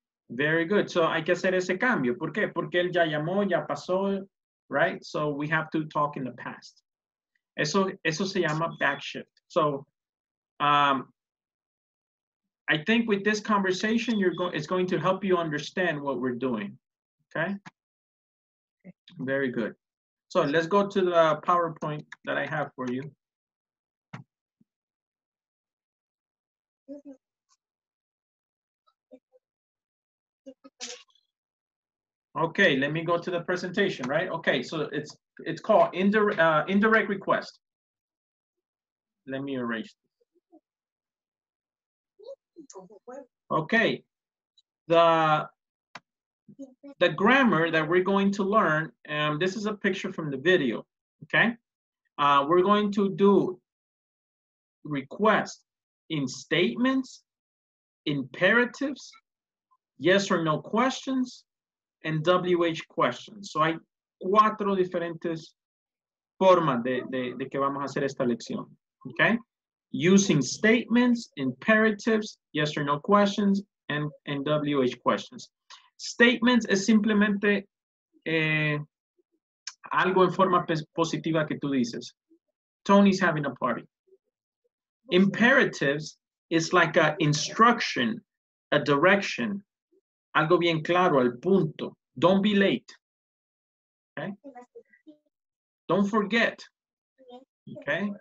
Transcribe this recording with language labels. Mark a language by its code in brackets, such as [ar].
[en] Very good, [es] so hay que hacer ese cambio. ¿Por qué? Porque él ya llamó, ya pasó, right? [en] So we have to talk in the past. [es] Eso se llama backshift. [en] So, I think with this conversation, it's going to help you understand what we're doing, okay? Very good. So let's go to the PowerPoint that I have for you. Okay, let me go to the presentation, right? Okay, so it's called indirect request. Let me erase this. Okay, the grammar that we're going to learn, and this is a picture from the video, okay? We're going to do requests in statements, imperatives, yes or no questions, and WH questions. [es] So hay cuatro diferentes formas de que vamos a hacer esta lección, okay? [en] Using statements, imperatives, yes or no questions, and WH questions. [es] Statements es simplemente algo en forma positiva que tú dices. [en] Tony's having a party. Imperatives is like an instruction, a direction. [es] Algo bien claro, al punto. [en] Don't be late. Okay. Don't forget. Okay.